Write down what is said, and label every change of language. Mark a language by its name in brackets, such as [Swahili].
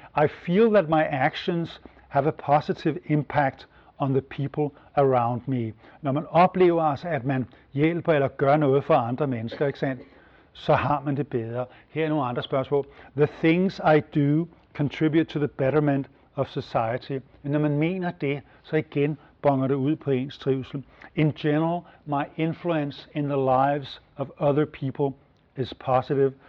[English] I feel that my actions have a positive impact on the people around me. [Danish] Når man oplever altså, at man hjælper eller gør noget for andre mennesker, ikke sandt? Så har man det bedre. Her er nogle andre spørgsmål. [English] The things I do contribute to the betterment of society. [Danish] Men når man mener det, så igen bonger det ud på ens trivsel. [English] In general, my influence in the lives of other people is positive.